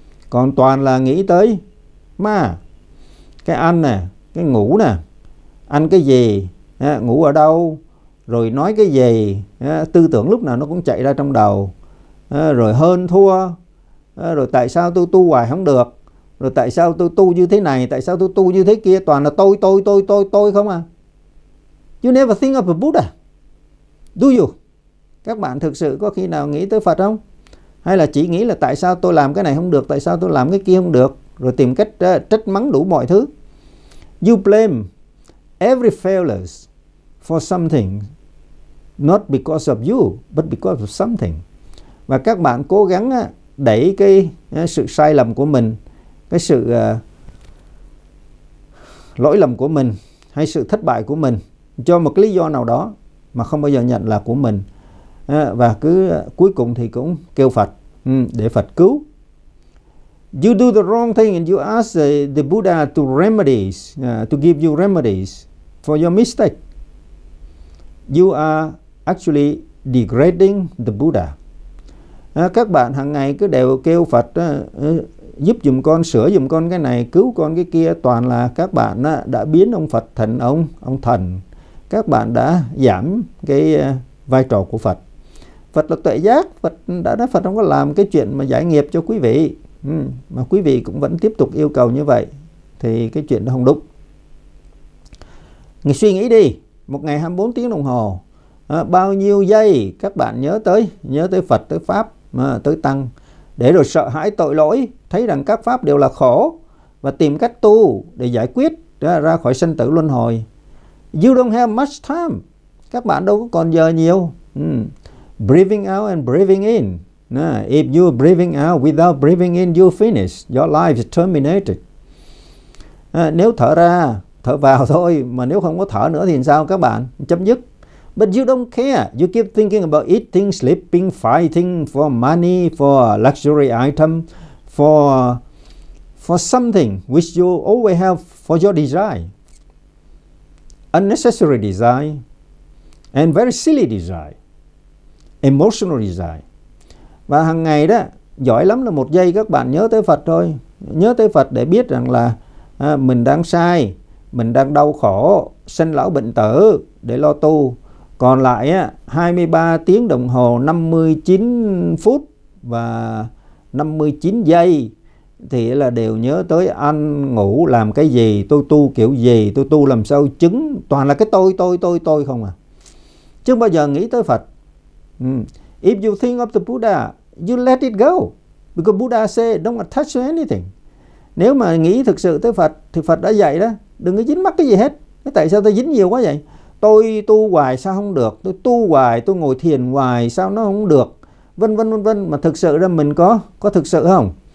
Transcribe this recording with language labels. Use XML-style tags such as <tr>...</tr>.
<vi>Còn toàn là nghĩ tới ma. Cái ăn nè, cái ngủ nè, ăn cái gì, ngủ ở đâu, rồi nói cái gì, tư tưởng lúc nào nó cũng chạy ra trong đầu. Rồi hơn thua, rồi tại sao tôi tu hoài không được, rồi tại sao tôi tu như thế này, tại sao tôi tu như thế kia, toàn là tôi không à.</vi> <en>You never think of a Buddha, do you?</en> <vi>Các bạn thực sự có khi nào nghĩ tới Phật không? Hay là chỉ nghĩ là tại sao tôi làm cái này không được, tại sao tôi làm cái kia không được, rồi tìm cách trách mắng đủ mọi thứ.</vi> <en>You blame every failures for something, not because of you, but because of something.</en> <vi>Và các bạn cố gắng đẩy cái sự sai lầm của mình, cái sự lỗi lầm của mình, hay sự thất bại của mình cho một lý do nào đó mà không bao giờ nhận là của mình. Và cứ cuối cùng thì cũng kêu Phật để Phật cứu.</vi> <en>you do the wrong thing and you ask the Buddha to remedies, to give you remedies for your mistake, you are actually degrading the Buddha.</en> <vi>Các bạn hàng ngày cứ đều kêu Phật giúp giùm con, sửa giùm con cái này, cứu con cái kia, toàn là các bạn đã biến ông Phật thành ông thần. Các bạn đã giảm cái vai trò của Phật. Phật là tuệ giác, Phật đã nói Phật không có làm cái chuyện mà giải nghiệp cho quý vị. Mà quý vị cũng vẫn tiếp tục yêu cầu như vậy thì cái chuyện đó không đúng. Người suy nghĩ đi, một ngày 24 tiếng đồng hồ, bao nhiêu giây các bạn nhớ tới Phật, tới Pháp, tới Tăng, để rồi sợ hãi tội lỗi, thấy rằng các Pháp đều là khổ và tìm cách tu để giải quyết ra khỏi sinh tử luân hồi.</vi> <en>You don't have much time.</en> <vi>Các bạn đâu có còn giờ nhiều.</vi> <en>Breathing out and breathing in. If you are breathing out without breathing in, you finish. Your life is terminated.</en> <vi>Nếu thở ra, thở vào thôi, mà nếu không có thở nữa thì sao các bạn? Chấm dứt.</vi> <en>But you don't care. You keep thinking about eating, sleeping, fighting for money, for luxury item, for something which you always have for your desire. Unnecessary desire and very silly desire. Emotional desire.</en> <vi>Và hàng ngày đó, giỏi lắm là một giây các bạn nhớ tới Phật thôi. Nhớ tới Phật để biết rằng là mình đang sai, mình đang đau khổ, sinh lão bệnh tử để lo tu. Còn lại 23 tiếng đồng hồ, 59 phút và 59 giây thì là đều nhớ tới ăn, ngủ, làm cái gì, tôi tu kiểu gì, tôi tu làm sao chứng. Toàn là cái tôi không à. Chứ bao giờ nghĩ tới Phật.</vi> <en>If you think of the Buddha, you let it go. Because Buddha said, don't attach to anything.</en> <vi>Nếu mà nghĩ thực sự tới Phật, thì Phật đã dạy đó, đừng có dính mắc cái gì hết. Tại sao ta dính nhiều quá vậy? Tôi tu hoài sao không được? Tôi tu hoài, tôi ngồi thiền hoài sao nó không được? Vân vân vân vân. Mà thực sự ra mình có thực sự không?</vi>